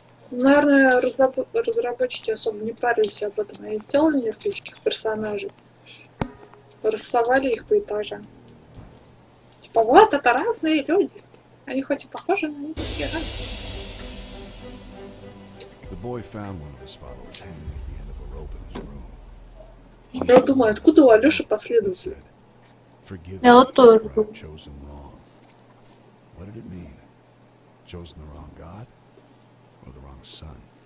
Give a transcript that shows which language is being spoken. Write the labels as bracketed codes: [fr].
[ru] Наверное, разработчики особо не парились об этом. Они сделали нескольких персонажей. Рассовали их по этажам. Вот, это разные люди. Они хоть и похожи, но они такие разные. [en] The boy found one of his followers hanging at the end of a rope in his room. [ru] Я думаю, откуда у Алёши последователи? Я тоже. [en] What did it mean? Chosen the wrong god or the wrong son?